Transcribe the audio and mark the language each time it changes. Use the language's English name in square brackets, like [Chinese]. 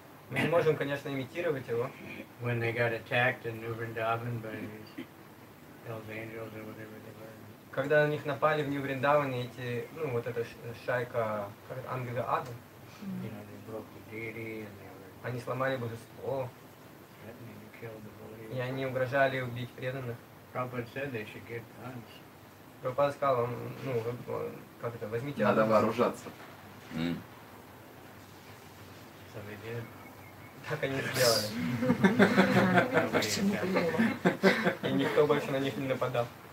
[Russian] Мы не можем, конечно, имитировать его. [English] When they got attacked in New Vrindavan by these hell's angels or whatever they were. [Russian] Когда на них напали в Нью-Вриндаване эти, ну, вот эта шайка, как это, ангелы ада. [English] You know, they broke the deity and they were... [Russian] Они сломали божество. [English] Threatening to kill the devotees. [Russian] И они угрожали убить преданных. [English] Prabhupada said they should get guns. [Russian] Прабхупада сказал, ну, как это, возьмите ада. Надо вооружаться. [English] So they did. [Russian] Так они сделали. И никто больше на них не нападал.